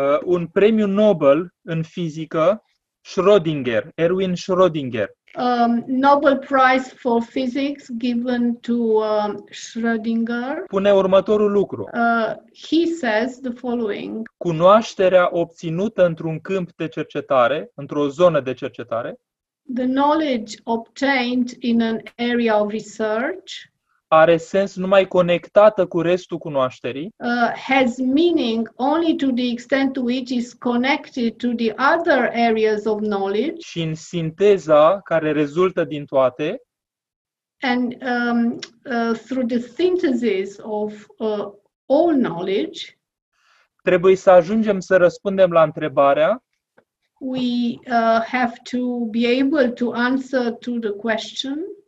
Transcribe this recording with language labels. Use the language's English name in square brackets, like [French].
[Romanian] Un premiu Nobel în fizică, Schrödinger, Erwin Schrödinger. [English] Nobel Prize for Physics given to Schrödinger. [Romanian] Pune următorul lucru. [English] He says the following. [Romanian] Cunoașterea obținută într-un câmp de cercetare, într-o zonă de cercetare. [English] The knowledge obtained in an area of research. [Romanian] Are sens numai conectată cu restul cunoașterii. [English] Has meaning only to the extent to which is connected to the other areas of knowledge. [Romanian] Și în sinteza care rezultă din toate. [English] And through the synthesis of all knowledge. [Romanian] Trebuie să ajungem să răspundem la întrebarea. [English] We have to be able to answer to the question.